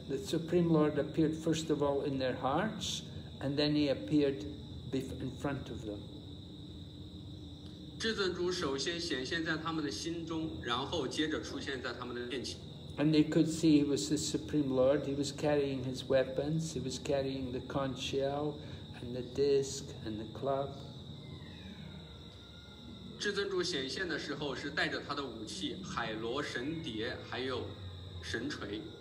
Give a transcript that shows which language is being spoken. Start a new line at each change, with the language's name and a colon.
English: The Supreme Lord appeared first of all in their hearts, and then he appeared in front of them.
Chinese: 至尊主首先显现在他们的心中，然后接着出现在他们的面前。
English: And they could see he was the Supreme Lord. He was carrying his weapons. He was carrying the conch shell, and the disc, and the club.
Chinese: 至尊主显现的时候是带着他的武器，海螺、神碟，还有神锤。